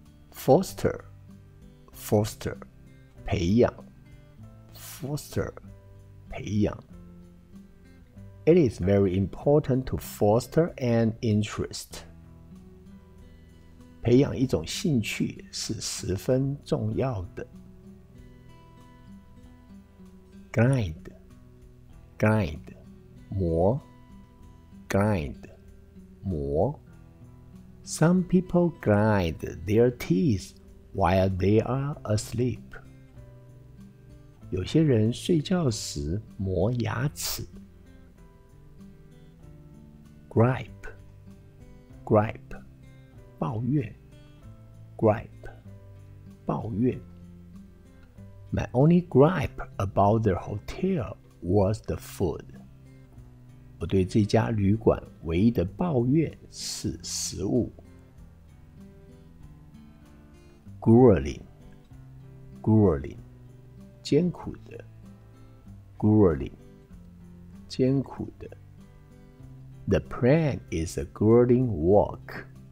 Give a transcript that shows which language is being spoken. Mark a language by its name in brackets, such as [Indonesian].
[English] Foster, foster, 培养。 Foster, 培养。It is very important to foster an interest. [Chinese] 培养一种兴趣是十分重要的。 [English] Grind, grind, 磨 grind, 磨 Some people grind their teeth while they are asleep. [Chinese] 有些人睡觉时磨牙齿。 [English] Gripe, gripe, 抱怨 Gripe, 抱怨 My only gripe about the hotel was the food. [Chinese] 我对这家旅馆唯一的抱怨是食物。 [English] Grueling, 艰苦的。 Grueling, 艰苦的。The plan is a grueling walk.